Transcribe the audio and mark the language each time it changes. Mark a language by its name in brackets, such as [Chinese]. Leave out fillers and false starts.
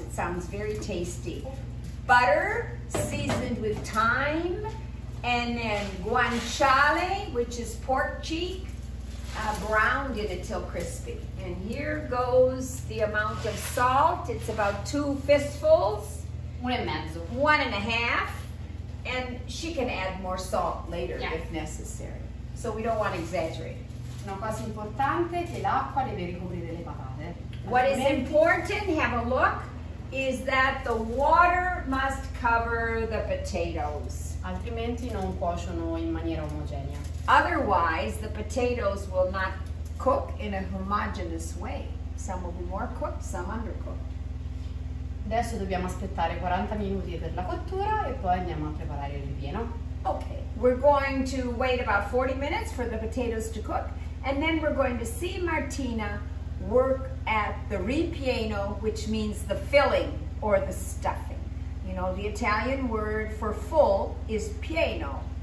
[English] It sounds very tasty. Butter seasoned with thyme, and then guanciale, which is pork cheek, browned in it till crispy. And here goes the amount of salt. It's about 2 fistfuls. One and a mezzo. 1.5. And she can add more salt later if necessary. So we don't want to exaggerate. [Italian] Una cosa importante che l'acqua deve ricoprire le patate. [English] What is important, have a look, is that the water must cover the potatoes. [Italian] Altrimenti non cuociono in maniera omogenea. [English] Otherwise, the potatoes will not cook in a homogeneous way. Some will be more cooked, some undercooked. [Italian] Adesso dobbiamo aspettare 40 minuti per la cottura e poi andiamo a preparare il ripieno. [English] Okay, we're going to wait about 40 minutes for the potatoes to cook. And then we're going to see Martina work at the ripieno, which means the filling or the stuffing. You know, the Italian word for full is pieno.